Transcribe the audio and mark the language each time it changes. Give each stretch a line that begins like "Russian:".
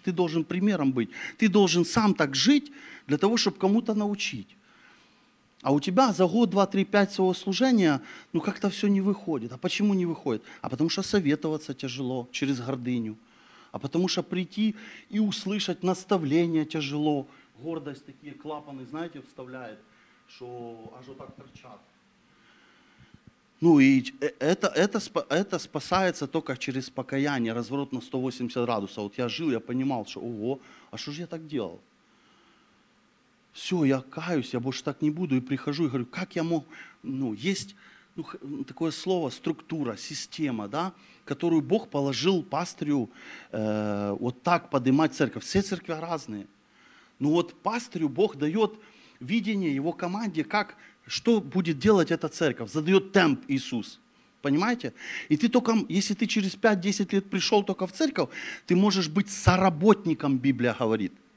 Russian: Ты должен примером быть. Ты должен сам так жить, для того, чтобы кому-то научить. А у тебя за год, два, три, пять своего служения, ну, как-то все не выходит. А почему не выходит? А потому что советоваться тяжело через гордыню. А потому что прийти и услышать наставление тяжело.
Ukrainian: гордость, такі клапани, знаєте, вставляє, що аж отак торчать. Ну і це спасається тільки через покаяння, розворот на 180 градусів. От я жив, я розумів, що ого, а що ж я так діяв? Все, я каюсь, я більше так не буду. І прихожу і говорю, як я мог, ну, єсть...
Russian: Ну, такое слово, структура, система, да, которую Бог положил пастырю вот так поднимать церковь. Все церкви разные. Но вот пастырю Бог дает видение его команде, как, что будет делать эта церковь. Задает темп Иисус. Понимаете? И ты только, если ты через 5-10 лет пришел только в церковь, ты можешь быть соработником, Библия говорит.